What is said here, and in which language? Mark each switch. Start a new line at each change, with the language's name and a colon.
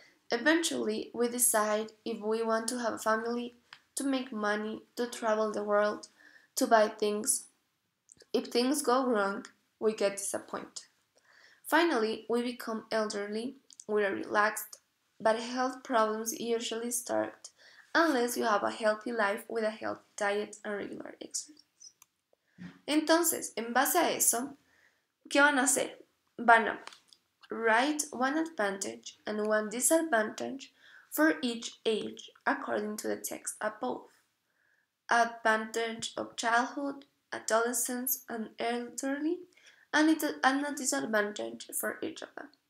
English: Eventually, we decide if we want to have a family, to make money, to travel the world, to buy things. If things go wrong, we get disappointed. Finally, we become elderly, we are relaxed, but health problems usually start unless you have a healthy life with a healthy diet and regular exercise.
Spanish: Entonces, en base a eso, ¿qué van a hacer? Van a
English: write one advantage and one disadvantage for each age according to the text above. Advantage of childhood, adolescence, and elderly, and a disadvantage for each of them.